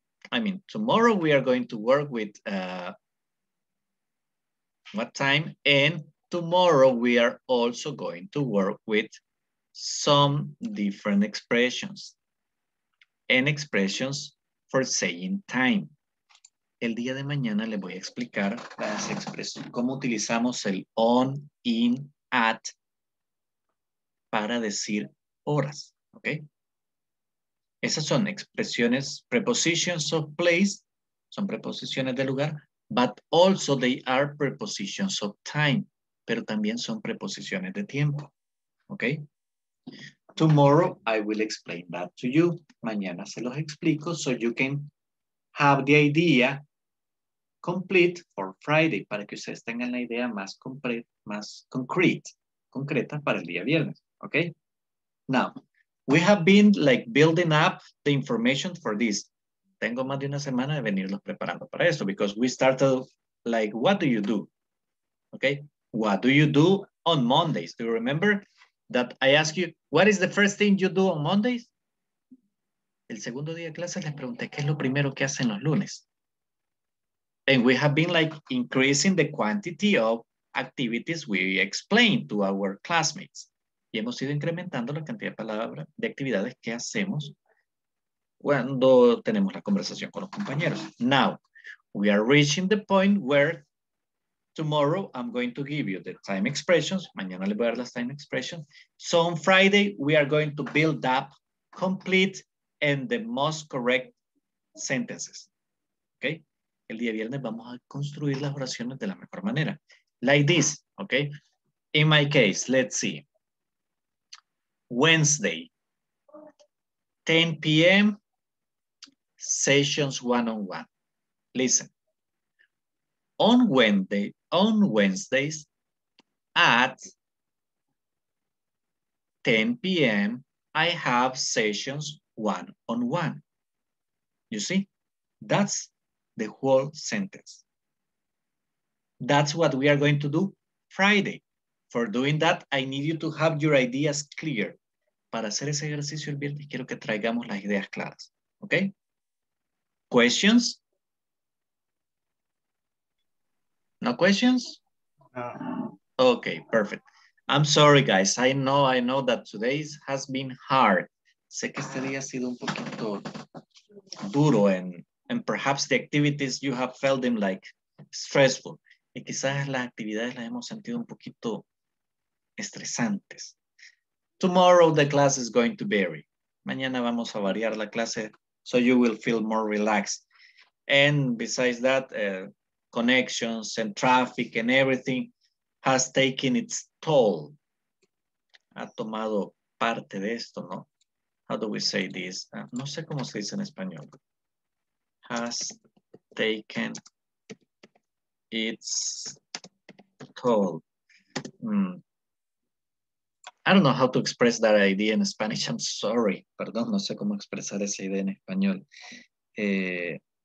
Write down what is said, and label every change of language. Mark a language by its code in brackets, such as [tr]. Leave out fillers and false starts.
[en] I mean, tomorrow we are going to work with what time? And tomorrow, we are also going to work with some different expressions and expressions for saying time. [es] El día de mañana le voy a explicar las expresiones, cómo utilizamos el on, in, at para decir horas, ¿ok? Esas son expresiones, [en] prepositions of place, [es] son preposiciones de lugar, [en] but also they are prepositions of time, [es] pero también son preposiciones de tiempo. Okay? [en] Tomorrow I will explain that to you. [es] Mañana se los explico [en] so you can have the idea complete for Friday, [es] para que ustedes tengan la idea más concreta para el día viernes. [en] Okay? Now, we have been like building up the information for this. [es] Tengo más de una semana de venirlos preparando para esto, [en] because we started like, what do you do? Okay? What do you do on Mondays? Do you remember that I ask you, what is the first thing you do on Mondays? [es] El segundo día de clase les pregunté, ¿qué es lo primero que hacen los lunes? [en] And we have been like increasing the quantity of activities we explain to our classmates. [es] Y hemos ido incrementando la cantidad de palabras, de actividades que hacemos cuando tenemos la conversación con los compañeros. [en] Now, we are reaching the point where tomorrow I'm going to give you the time expressions. [es] Mañana les voy a dar las time expressions. [en] So on Friday, we are going to build up complete and the most correct sentences. Okay? [es] El día viernes vamos a construir las oraciones de la mejor manera. [en] Like this, okay? In my case, let's see. Wednesday, 10 p.m., sessions one-on-one. Listen. On Wednesdays, at 10 p.m., I have sessions one-on-one. You see? That's the whole sentence. That's what we are going to do Friday. For doing that, I need you to have your ideas clear. [es] Para hacer ese ejercicio el viernes, quiero que traigamos las ideas claras. [en] ¿Ok? ¿Questions? ¿No questions? No. Ok, perfect. I'm sorry, guys. I know that today has been hard. [es] Sé que este día ha sido un poquito duro [en] and perhaps the activities you have felt them like stressful. [es] Y quizás las actividades las hemos sentido un poquito estresantes. [en] Tomorrow the class is going to vary. [es] Mañana vamos a variar la clase [en] so you will feel more relaxed. And besides that, connections and traffic and everything has taken its toll. [es] Ha tomado parte de esto, ¿no? [en] How do we say this? [es] No sé cómo se dice en español. [en] Has taken its toll. I don't know how to express that idea in Spanish. I'm sorry. [es] Perdón, no sé cómo expresar esa idea en español.